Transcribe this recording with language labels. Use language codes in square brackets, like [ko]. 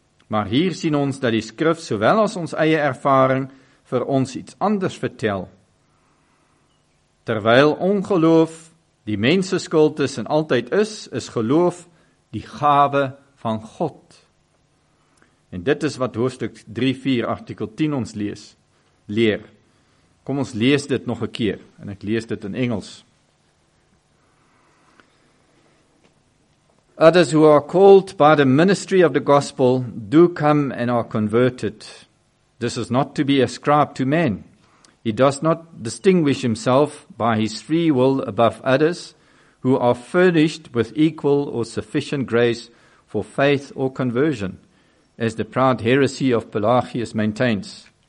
[af] Maar hier sien ons dat die skrif, sowel as ons eie ervaring, vir ons iets anders vertel. Terwyl ongeloof die mense skuld is en altyd is, is geloof die gawe van God. En dit is wat hoofdstuk 3-4 artikel 10 ons leer. Kom ons lees dit nog 'n keer, en ek lees dit in Engels. [en] Others who are called by the ministry of the gospel do come and are converted. This is not to be ascribed to man. He does not distinguish himself by his free will above others who are furnished with equal or sufficient grace for faith or conversion, as the proud heresy of Pelagius maintains.